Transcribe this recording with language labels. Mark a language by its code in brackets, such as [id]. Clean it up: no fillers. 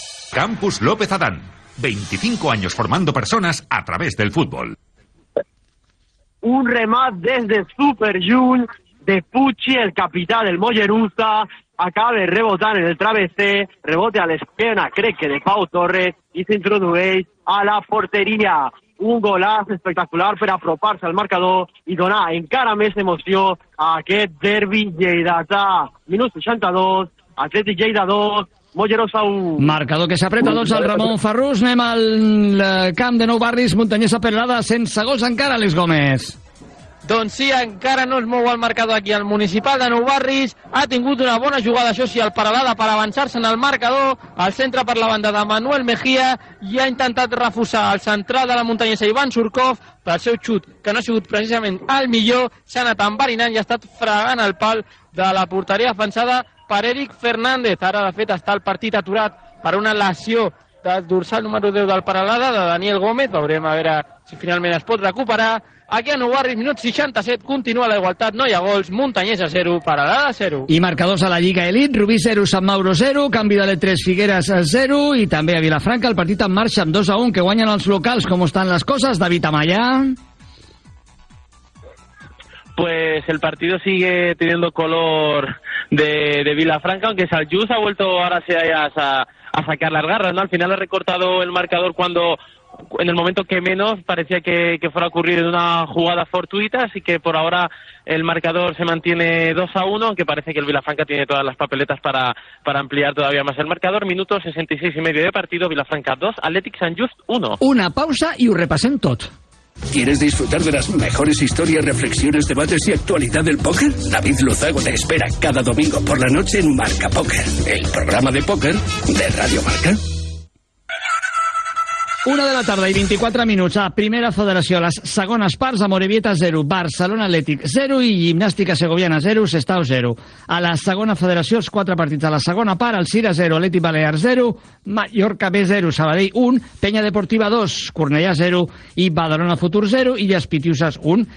[es] Campus López Adán, 25 años formando personas a través del fútbol. Un remat desde Super Jun de Pucci, el capitán del Mollerussa, acaba de rebotar en el travesé, rebote a la esquina, cree que de Pau Torres, y se introduce a la portería. [ca] un golaç espectacular per apropar-se al marcador i donar encara més emoció a aquest derbi lleidatà. Minut 62, Atlètic Lleida 2, Mollerussa 1. Marcador que s'apreta, doncs, el Ramon Ferrús. Anem al camp de Nou Barris, Muntanyesa Pelada, sense gols encara, Alex Gómez. Doncs sí, encara no es mou el marcador aquí. El municipal de Nou Barris ha tingut una bona jugada, això sí, al paral·lada per avançar-se en el marcador, al centre per la banda de Manuel Mejía, i ha intentat refusar el central de la Muntanyesa, Ivan Surkov, però el seu xut, que no ha sigut precisament el millor, s'ha anat enverinant i ha estat fregant el pal de la porteria defensada per Eric Fernández. Ara, de fet, està el partit aturat per una lesió del dorsal número 10 del paral·lada, de Daniel Gómez. Veurem a veure si finalment es pot recuperar. Aquí a Nou Barris, minut 67, continua la igualtat, no hi ha gols, Muntanyesa 0, Paralada 0. I marcadors a la Lliga Elite, Rubí 0, Sant Mauro 0, canvi de letres, Figueres 0, i també a Vilafranca, el partit en marxa amb 2-1, que guanyen els locals. Com estan les coses, David Amaya? [es] Pues el partido sigue teniendo color de Vilafranca, aunque Saljus ha vuelto ahora sí a sacar las garras, ¿no? Al final ha recortado el marcador cuando... en el momento que menos parecía que fuera a ocurrir en una jugada fortuita, así que por ahora el marcador se mantiene 2-1, aunque parece que el Vilafranca tiene todas las papeletas para ampliar todavía más el marcador. Minuto 66.5 de partido, Vilafranca 2, Athletic Sant Just 1. [ca] Una pausa y un repasen tot. [es] ¿Quieres disfrutar de las mejores historias, reflexiones, debates y actualidad del póker? David Luzago te espera cada domingo por la noche en Marca Póker, el programa de póker de Radio Marca. [ca] Una de la tarda i 24 minuts a Primera Federació, les segones parts, Amorebieta 0, Barcelona Atlètic 0 i Gimnàstica Segoviana 0, Sestao 0. A la segona federació, els quatre partits. A la segona part, el Cira 0, Atlètic Balear 0, Mallorca B 0, Sabadell 1, Penya Deportiva 2, Cornellà 0 i Badalona Futur 0 i Espitiuses 1.